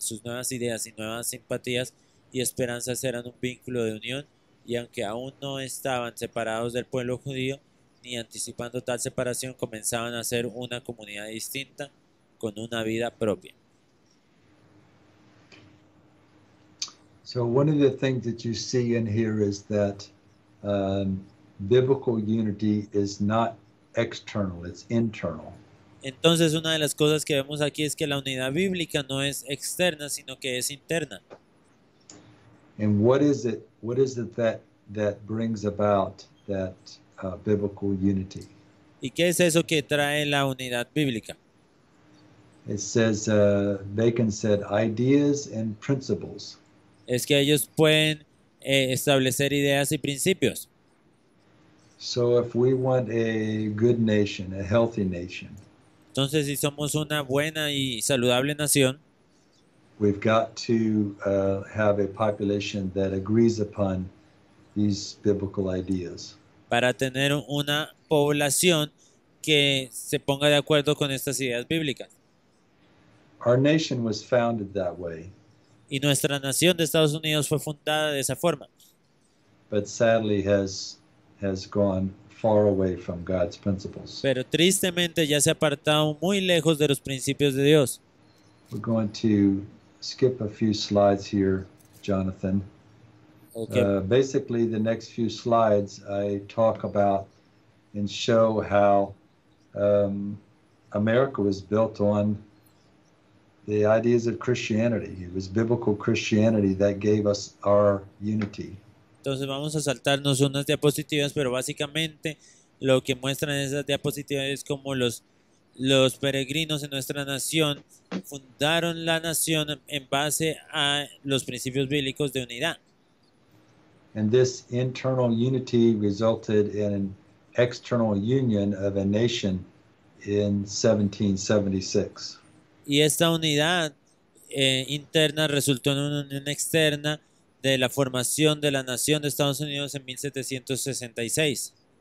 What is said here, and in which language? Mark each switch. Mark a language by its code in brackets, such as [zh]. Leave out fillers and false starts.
[es] Sus nuevas ideas y nuevas simpatías y esperanzas eran un vínculo de unión, y aunque aún no estaban separados del pueblo judío, ni anticipando tal separación, comenzaban a ser una comunidad distinta con una vida propia. [en] So one of the things that you see in here is that biblical unity is not external, it's internal. [es] Entonces una de las cosas que vemos aquí es que la unidad bíblica no es externa, sino que es interna. [en] And what is it that brings about that biblical unity? [es] ¿Y qué es eso que trae la unidad bíblica? [en] It says, Bacon said, ideas and principles. [es] Es que ellos pueden establecer ideas y principios. [en] So if we want a good nation, a healthy nation, [es] entonces si somos una buena y saludable nación, [en] we've got to have a population that agrees upon these biblical ideas. [es] Para tener una población que se ponga de acuerdo con estas ideas bíblicas. [en] Our nation was founded that way. [es] Y nuestra nación de Estados Unidos fue fundada de esa forma. [en] But sadly has gone far away from God's principles. [es] Pero tristemente ya se ha apartado muy lejos de los principios de Dios. [en] We're going to skip a few slides here, Jonathan. Okay. Basically, the next few slides I talk about and show how America was built on the ideas of Christianity. It was biblical Christianity that gave us our unity. [es] Entonces vamos a saltarnos unas diapositivas, pero básicamente lo que muestran esas diapositivas es como los peregrinos en nuestra nación fundaron la nación en base a los principios bíblicos de unidad. [en] And this internal unity resulted in an external union of a nation in 1776. [es] Y esta unidad interna resultó en una unión externa de la formación de la nación de Estados Unidos en 1766.